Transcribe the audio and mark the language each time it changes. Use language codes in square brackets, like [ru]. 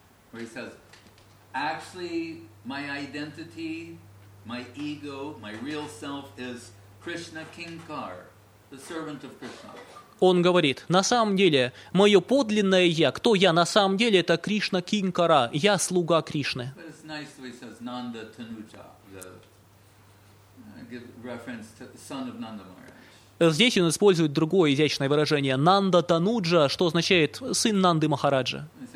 [en] Where he says, actually, my identity, my ego, my real self is Krishna Kinkar, the servant of Krishna. [ru] Он говорит, на самом деле, мое подлинное я, кто я на самом деле, это Кришна Кинкара, я слуга Кришны. [en] But it's nice that he says Nanda Tanuja, the reference to the son of Nanda Maharaj. [ru] Здесь он использует другое изящное выражение «Нанда Тануджа», что означает «сын Нанды Махараджа».